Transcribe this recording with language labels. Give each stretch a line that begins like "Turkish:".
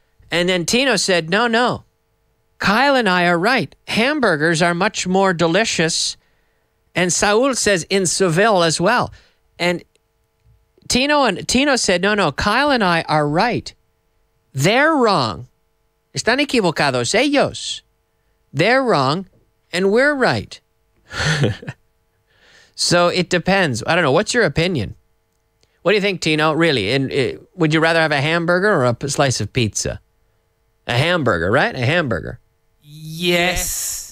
English: And then Tino said, no. Kyle and I are right. Hamburgers are much more delicious. And Saul says in Seville as well. And Tino said, no, Kyle and I are right. They're wrong.
Spanish: Están equivocados ellos.
English: They're wrong and we're right. So it depends. I don't know. What's your opinion? What do you think, Tino? Really? Would you rather have a hamburger or a slice of pizza? A hamburger, right? A hamburger. Yes.